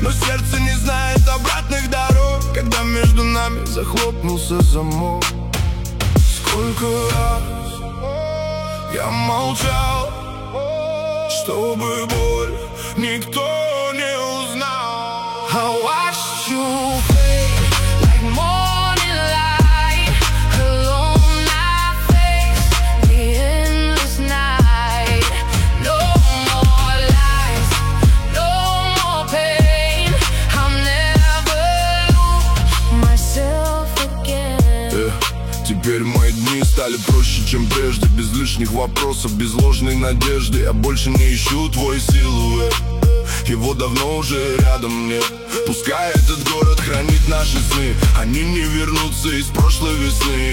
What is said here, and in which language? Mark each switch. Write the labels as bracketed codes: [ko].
[ru] Но сердце не знает обратных дорог, когда между нами захлопнулся замок. Сколько раз я молчал, чтобы боль никто не узнал. [en] I watched you play like morning light, alone I face the endless night. No more lies, no more pain, I'll never lose myself again. [ru] Теперь мой стали проще, чем прежде. Без лишних вопросов, без ложной надежды. Я больше не ищу твой силуэт, его давно уже рядом нет. Пускай этот город хранит наши сны, они не вернутся из прошлой весны.